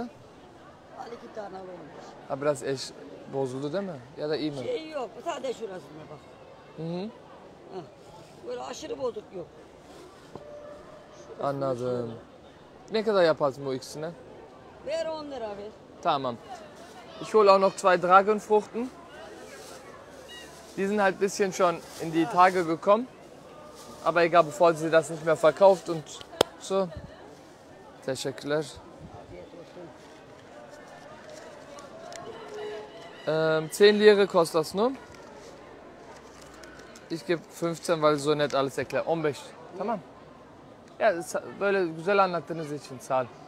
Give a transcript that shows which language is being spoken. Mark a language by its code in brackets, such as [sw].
[tr] Al iki tane alınmış. Ha, biraz eş bozuldu değil mi? Ya da iyi mi? Şey yok, sadece şurasına bak. Hı hı. Böyle aşırı bozuk yok. Şurası anladım. Şurada. Ne kadar yaparsın bu ikisine? Ver 10 lira ver. Tamam. [de] Ich hole auch noch zwei Dragonfruchten. Die sind halt ein bisschen schon in die Tage gekommen. Aber egal, bevor sie das nicht mehr verkauft und so. [tr] Teşekkürler. [de] Zehn Lire kostet das nur. Ich gebe 15, weil so nett alles erklärt. [tr] 15. Tamam. Ja, böyle güzel anlattığınız için sağ ol.